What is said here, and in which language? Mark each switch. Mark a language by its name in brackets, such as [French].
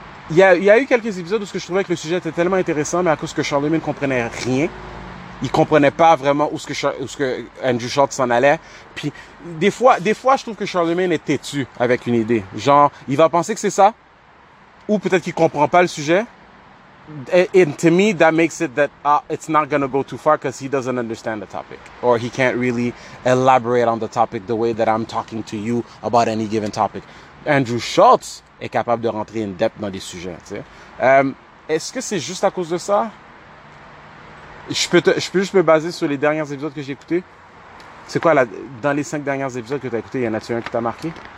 [French] Il y a eu quelques épisodes où ce que je trouvais que le sujet était tellement intéressant, mais à cause que Charlemagne ne comprenait rien. Il comprenait pas vraiment où ce que Andrew Schultz s'en allait. Puis des fois je trouve que Charlemagne est têtu avec une idée. Genre, il va penser que c'est ça, ou peut-être qu'il comprend pas le sujet. [English] And to me, that makes it that it's not gonna go too far because he doesn't understand the topic, or he can't really elaborate on the topic the way that I'm talking to you about any given topic. [French] Andrew Schultz est capable de rentrer [English] in depth [French] dans des sujets. Tu sais, est-ce que c'est juste à cause de ça? Je peux juste me baser sur les derniers épisodes que j'ai écoutés. C'est quoi, dans les 5 derniers épisodes que t'as écoutés, y en a-t-il un qui t'a marqué?